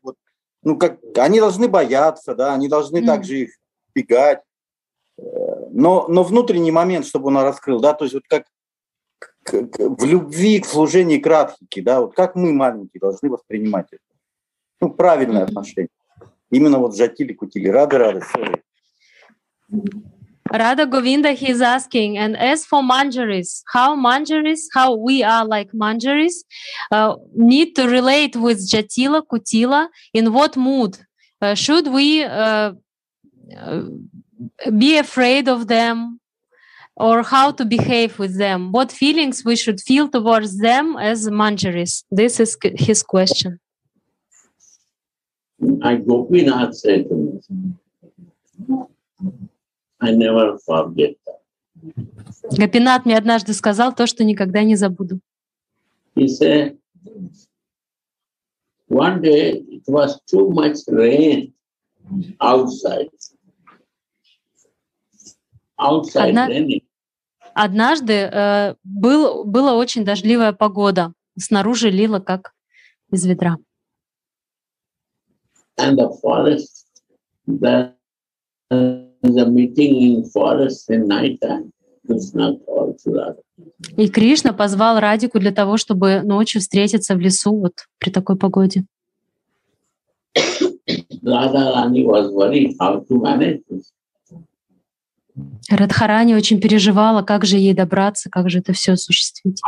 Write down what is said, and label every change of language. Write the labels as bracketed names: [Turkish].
[Russian] Вот, ну, как, они должны бояться, да, они должны также их избегать. Но внутренний момент, чтобы он раскрыл, да, то есть вот как в любви к служению к Радхике, да, вот как мы, маленькие, должны воспринимать это. Ну, правильное отношение. Именно вот Джатили, Кутили, Рада-Рада, [English] sorry. Radha Govinda, he is asking, and as for manjaris, how we are like manjaris, need to relate with Jatila, Kutila, in what mood? Should we be afraid of them, or how to behave with them? What feelings we should feel towards them as manjaris? This is his question. I go be not say to me. I never forget that. [Russian] Гопинат мне однажды сказал то, что никогда не забуду. [English] He said, one day it was too much rain outside. Outside raining. [Russian] Однажды была очень дождливая погода. Снаружи лило, как из ведра. [English] And the forest that the meeting in forest in night time, Krishna called Radha. [Russian] И Кришна позвал Радику для того, чтобы ночью встретиться в лесу вот при такой погоде. [English] Radharani was worried how to manage this. [Russian] Радхарани очень переживала, как же ей добраться, как же это все осуществить.